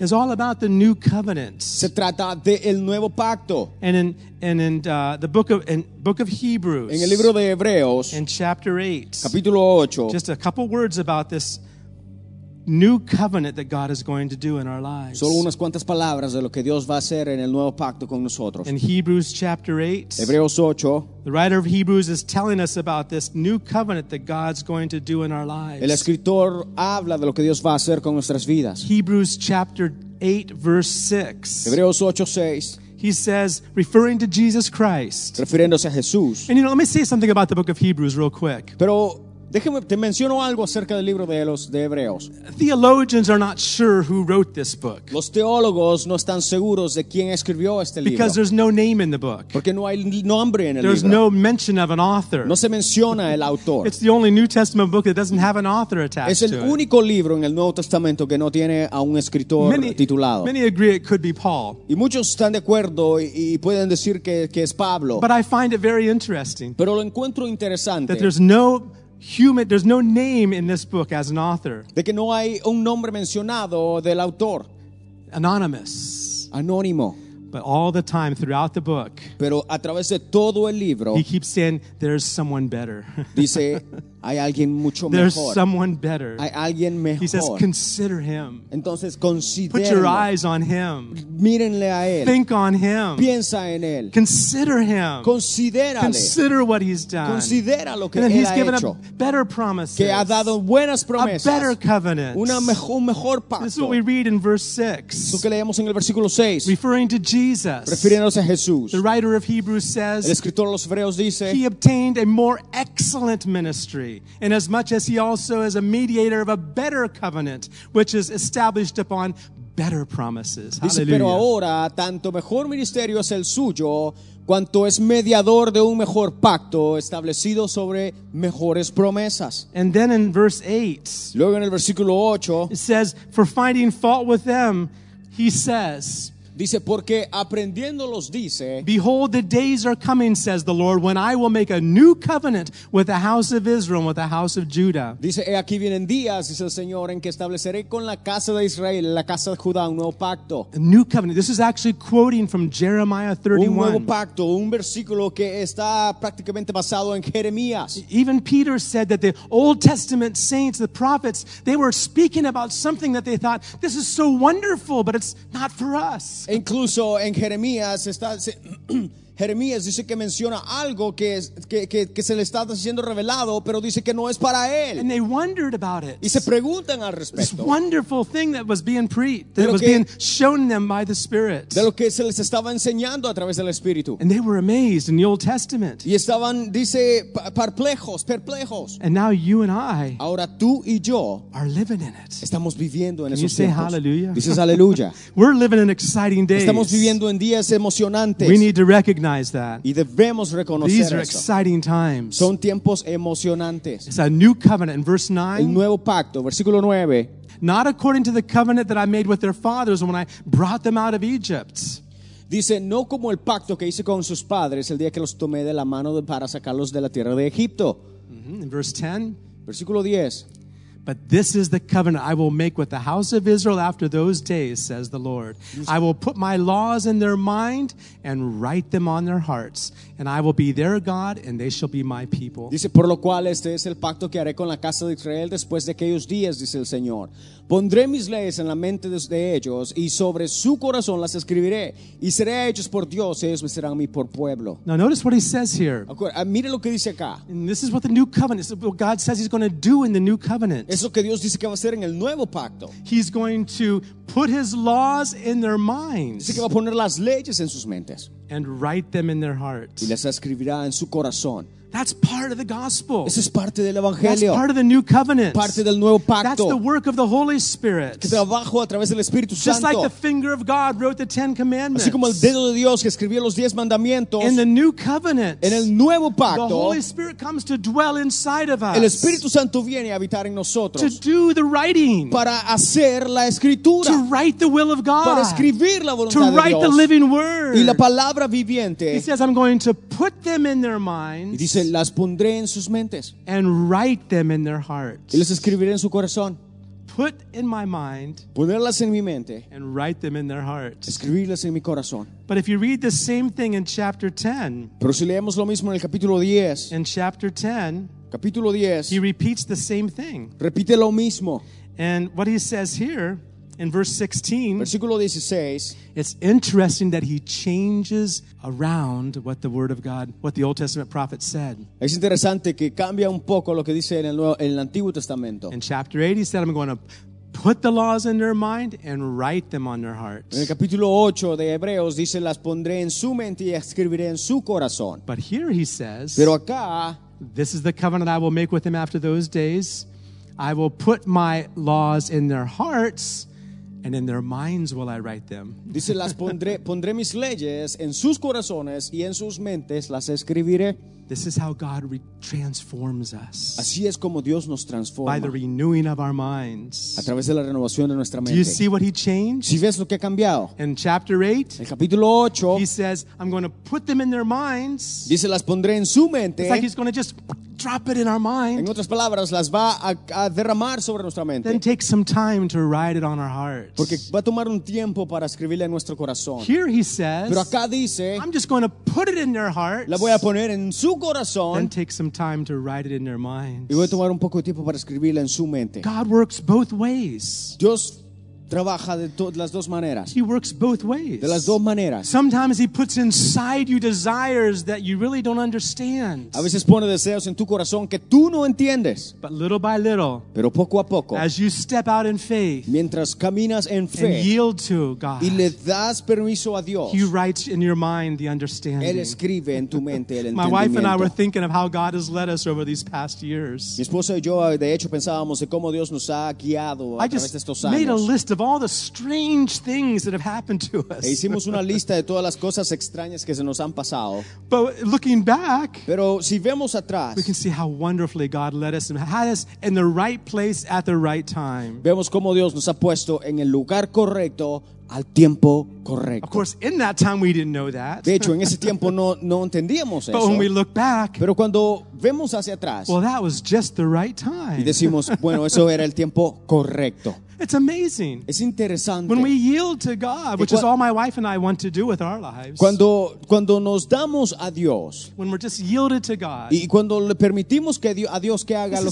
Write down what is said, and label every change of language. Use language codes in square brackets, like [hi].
[en] Is all about the new covenant. [es] Se trata de el nuevo pacto. [en] And in the book of Hebrews. [es] En el libro de Hebreos. [en] In chapter 8. [es] Capítulo 8. [en] Just a couple words about this new covenant that God is going to do in our lives. [es] Solo unas cuantas palabras de lo que Dios va a hacer en el nuevo pacto con nosotros. [en] In Hebrews chapter 8. [es] Hebreos 8. [en] The writer of Hebrews is telling us about this new covenant that God's going to do in our lives. [es] El escritor habla de lo que Dios va a hacer con nuestras vidas. [en] Hebrews chapter 8 verse 6. [es] Hebreos 8, 6. [en] He says, referring to Jesus Christ. [es] Refiriéndose a Jesús. [en] And you know, let me say something about the book of Hebrews real quick. [es] Pero déjame, te menciono algo acerca del libro de Hebreos. [en] Theologians are not sure who wrote this book. [es] Los teólogos no están seguros de quién escribió este libro. [en] Because there's no name in the book. [es] Porque no hay nombre en el [en] there's [es] libro. [en] There's no mention of an author. [es] No se menciona el autor. [en] It's the only New Testament book that doesn't have an author attached to it. [es] Es el único libro en el Nuevo Testamento que no tiene a un escritor titulado. [en] Many agree it could be Paul. [es] Y muchos están de acuerdo y pueden decir que es Pablo. [en] But I find it very interesting. [es] Pero lo encuentro interesante. [en] That there's no human, there's no name in this book as an author. [es] De que no hay un nombre mencionado del autor. [en] Anonymous. [es] Anónimo. [en] But all the time throughout the book. [es] Pero a través de todo el libro. [en] He keeps saying there's someone better. [es] Dice hay alguien mucho mejor. [en] There's someone better. [es] Hay alguien mejor. [en] He says consider him. [es] Entonces considérelo. [en] Put your eyes on him. [es] Mírenle a él. [en] Think on him. [es] Piensa en él. [en] Consider him. [es] Considérale. [en] Consider what he's done. [es] Considera lo que [en] and [es] él [en] he's [es] ha [en] given [es] hecho. [en] A better promises. [es] Que ha dado buenas promesas. [en] A better covenant. [es] Un mejor pacto. [en] This is what we read in verse 6. [es] Lo que leemos en el versículo 6. [en] Referring to Jesus. [es] Refiriéndose a Jesús. [en] The writer of Hebrews says. [es] El escritor de los Hebreos dice. [en] He obtained a more excellent ministry. Inasmuch as he also is a mediator of a better covenant, which is established upon better promises. [es] Dice, pero ahora tanto mejor ministerio es el suyo, cuanto es mediador de un mejor pacto establecido sobre mejores promesas. [en] And then in verse 8, [es] luego en el versículo 8, [en] it says, for finding fault with them, he says. [es] Dice, porque aprendiéndolos dice, [en] behold, the days are coming, says the Lord, when I will make a new covenant with the house of Israel and with the house of Judah. [es] Dice, he aquí vienen días, dice el Señor, en que estableceré con la casa de Israel, la casa de Judá, un nuevo pacto. [en] A new covenant. This is actually quoting from Jeremiah 31. [es] Un nuevo pacto, un versículo que está prácticamente basado en Jeremías. [en] Even Peter said that the Old Testament saints, the prophets, they were speaking about something that they thought, this is so wonderful, but it's not for us. [es] Incluso en Jeremías está Jeremías dice que menciona algo que es que se le está siendo revelado, pero dice que no es para él. [en] And they wondered about it. [es] Y se preguntan al respecto. [en] This wonderful thing that was being preached, that was being shown them by the Spirit. [es] De lo que se les estaba enseñando a través del Espíritu. [en] And they were amazed in the Old Testament. [es] Y estaban, dice, perplejos. [en] And now you and I, [es] ahora tú y yo, [en] are living in it. [es] Estamos viviendo en [en] Can [es] esos [en] you say [es] tiempos. [en] Hallelujah? [es] Dices aleluya. [en] We're living in exciting days. [es] Estamos viviendo en días emocionantes. [en] We need to recognize that. [es] Y debemos reconocer [en] These are [es] eso. [en] Exciting times. [es] Son tiempos emocionantes. [en] It's a new covenant in verse 9. [es] El nuevo pacto, versículo 9. [en] Not according to the covenant that I made with their fathers when I brought them out of Egypt. [es] Dice, no como el pacto que hice con sus padres el día que los tomé de la mano para sacarlos de la tierra de Egipto. [en] Mm-hmm. In verse 10. [es] Versículo 10. [en] But this is the covenant I will make with the house of Israel after those days, says the Lord. I will put my laws in their mind and write them on their hearts. And I will be their God and they shall be my people. [es] Dice, por lo cual este es el pacto que haré con la casa de Israel después de aquellos días, dice el Señor. Pondré mis leyes en la mente de ellos y sobre su corazón las escribiré. Y seré a ellos por Dios y ellos me serán a mí por pueblo. [en] Now notice what he says here. [es] Mire lo que dice acá. [en] And this is what the new covenant, this is what God says he's going to do in the new covenant. [es] Eso que Dios dice que va a hacer en el nuevo pacto. [en] He's going to put his laws in their minds. [es] Dice que va a poner las leyes en sus mentes. [en] And write them in their hearts. [es] Y las escribirá en su corazón. [en] That's part of the gospel. [es] Eso es parte del evangelio. [en] That's part of the new covenant. [es] Parte del nuevo pacto. [en] That's the work of the Holy Spirit. [es] Que trabajo a través del Espíritu Santo. [en] Just like the finger of God wrote the Ten Commandments. [es] Así como el dedo de Dios que escribió los diez mandamientos. [en] In the new covenant. [es] En el nuevo pacto. [en] The Holy Spirit comes to dwell inside of us. [es] El Espíritu Santo viene a habitar en nosotros. [en] To do the writing. [es] Para hacer la escritura. [en] To write the will of God. [es] Para escribir la voluntad de Dios. [en] To write the living word. [es] Y la palabra viviente. [en] He says, "I'm going to put them in their minds." [es] Y dice, se las pondré en sus mentes. [en] And write them in their hearts. [es] Y las escribiré en su corazón. [en] Put in my mind. [es] Ponerlas en mi mente. [en] And write them in their hearts. [es] Escribirlas en mi corazón. [en] But if you read the same thing in chapter 10. [es] Pero si leemos lo mismo en el capítulo 10. [en] In chapter 10. [es] Capítulo 10. [en] He repeats the same thing. [es] Repite lo mismo. [en] And what he says here in verse 16. [es] Versículo 16. [en] It's interesting that he changes around what the word of God, what the Old Testament prophet said. [es] Es interesante que cambia un poco lo que dice en el Antiguo Testamento. [en] In chapter 8 he said, I'm going to put the laws in their mind and write them on their hearts. [es] En el capítulo 8 de Hebreos dice, las pondré en su mente y escribiré en su corazón. [en] But here he says, [es] pero acá, [en] this is the covenant I will make with them after those days. I will put my laws in their hearts. And in their minds will I write them. [es] Dice, las pondré mis leyes en sus corazones y en sus mentes las escribiré. [en] This is how God transforms us. [es] Así es como Dios nos transforma. [en] By the renewing of our minds. [es] A través de la renovación de nuestra mente. [en] Do you see what he changed? [es] ¿Sí ves lo que ha cambiado? [en] In chapter 8. [es] El capítulo 8. [en] He says, I'm going to put them in their minds. [es] Dice, las pondré en su mente. [en] It's like he's going to just drop it in our mind. [es] En otras palabras, las va a derramar sobre nuestra mente. [en] Then take some time to write it on our hearts. [es] Porque va a tomar un tiempo para escribirle en nuestro corazón. [en] Here he says, [es] pero acá dice, [en] I'm just going to put it in their hearts. [es] La voy a poner en su corazón. [en] Then take some time to write it in their minds. [es] Y voy a tomar un poco de tiempo para escribirle en su mente. [en] God works both ways. [es] Dios trabaja de las dos maneras. [en] He works both ways. [es] De las dos maneras. [en] Sometimes he puts inside you desires that you really don't understand. [es] A veces pone deseos en tu corazón que tú no entiendes. [en] But little by little, [es] pero poco a poco, [en] as you step out in faith, [es] mientras caminas en fe, [en] and yield to God, [es] y le das permiso a Dios, [en] he writes in your mind the understanding. [es] Él escribe en tu mente el entendimiento. [en] My wife and I were thinking of how God has led us over these past years. [es] Mi esposa y yo, de hecho, pensábamos de cómo Dios nos ha guiado a través de estos años. [en] I just made a list of all the strange things that have happened to us. [es] Hicimos una lista de todas las cosas extrañas que se nos han pasado. [en] But looking back, [es] pero si vemos atrás, [en] we can see how wonderfully God led us and had us in the right place at the right time. [es] Vemos cómo Dios nos ha puesto en el lugar correcto al tiempo correcto. [en] Of course, in that time we didn't know that. [es] De hecho, en ese tiempo no entendíamos eso. [en] But when we look back, [es] pero cuando vemos hacia atrás, [en] well, that was just the right time. [es] Y decimos, bueno, eso era el tiempo correcto. [en] It's amazing. [es] Es interesante. [en] When we yield to God, which is all my wife and I want to do with our lives. [es] Cuando nos damos a Dios. [en] When we're just yielded to God. [es] Y cuando le permitimos que Dios, a Dios que haga lo que